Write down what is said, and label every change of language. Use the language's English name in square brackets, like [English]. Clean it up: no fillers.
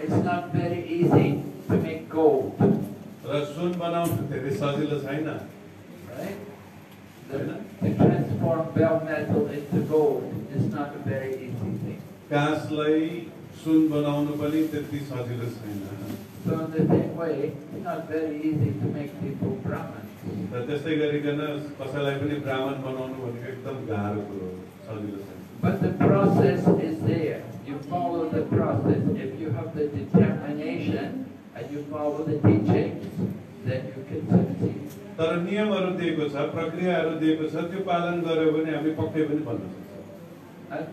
[English] It's not very easy to make gold [Nepali] ra sun banauna dherai sajilo chaina [English] To transform bell metal into gold is not a very easy thing. [Nepali] कासलाई सुन बनाउन पनि त्यति सजिलो छैन. [English] So in the same way, it's not very easy to make people Brahman. [Nepali] त्यस्तै गरिकन कसैलाई पनि ब्राह्मण बनाउनु भनेको एकदम गाह्रो कुरो सजिलो छैन. [English] But the process is there. You follow the process. If you have the determination and you follow the teachings, then you can succeed. [Nepali] तर नियमहरू दिएको छ प्रक्रियाहरू दिएको छ त्यो पालन गर्यो भने हामी पक्कै पनि बन्न